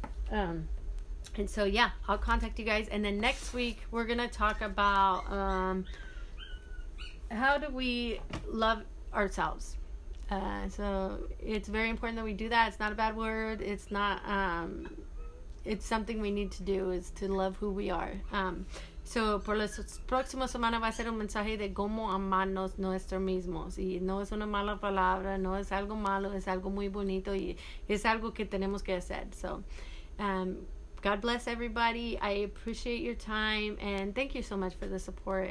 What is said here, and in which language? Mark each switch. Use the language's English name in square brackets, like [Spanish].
[English] And so yeah, I'll contact you guys. And then next week we're gonna talk about how do we love ourselves. So it's very important that we do that. It's not a bad word. It's not, it's something we need to do, is to love who we are. [Spanish] So por la próxima semana va a ser un mensaje de cómo amarnos nosotros mismos. Y no es una mala palabra, no es algo malo, es algo muy bonito y es algo que tenemos que hacer. [English] So, God bless everybody. I appreciate your time and thank you so much for the support.